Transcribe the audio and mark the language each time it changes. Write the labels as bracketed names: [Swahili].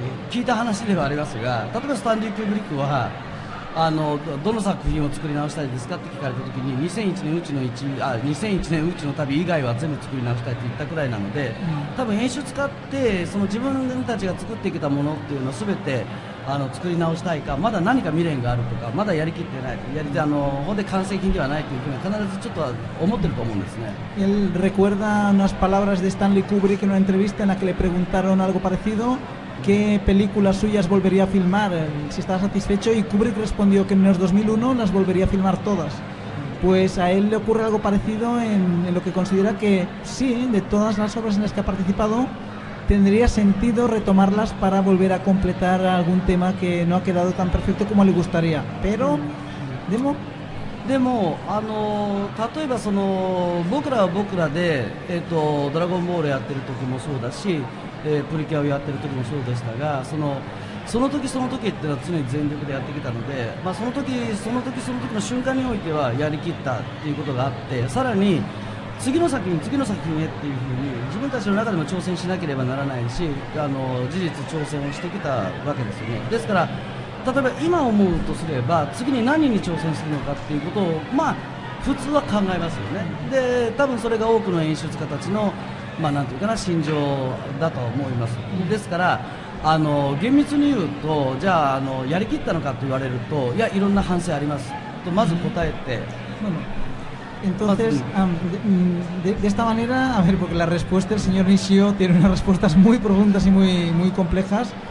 [Japanese] 聞いた話ではありますが、例えばスタンリー・クブリックはあのどの作品を作り直したいですかって聞かれた時に2001年宇宙の旅以外は全部作り直したいって言ったくらいなので、多分編集使ってその自分たちが作ってきたものっていうのを全てあの作り直したいか、まだ何か未練があるとか、まだやりきってない、やりあのほんで完成品ではないというふうに必ずちょっとは思ってると思うんですね。 [Spanish] Él recuerda unas palabras de Stanley Kubrick en una entrevista en la que le preguntaron algo parecido. ¿Qué películas suyas volvería a filmar? Si está satisfecho, y Kubrick respondió que en los 2001 las volvería a filmar todas. Pues a él le ocurre algo parecido en lo que considera que sí, de todas las obras en las que ha participado, tendría sentido retomarlas para volver a completar algún tema que no ha quedado tan perfecto como le gustaría. Pero, [Japanese] demo... でもあの例えばその僕らは僕らで、ドラゴンボールやってる時もそうだし、プリキュアをやってる時もそうでしたが、その時その時ってのは常に全力でやってきたので、まあ、その時の瞬間においてはやりきったっていうことがあって、さらに次の作品へっていうふうに自分たちの中でも挑戦しなければならないし、あの事実挑戦をしてきたわけですよね。ですから例えば今思うとすれば次に何に挑戦するのかっていうことをまあ普通は考えますよね。で多分それが多くの演出家たちのまあなんていうかな心情だと思います。ですからあの厳密に言うとじゃ あのやりきったのかと言われるといやいろんな反省ありますとまず答えて、うん、 [Spanish] Entonces, de esta manera, a ver, porque la respuesta del señor Nishio tiene unas respuestas muy profundas y muy, muy complejas.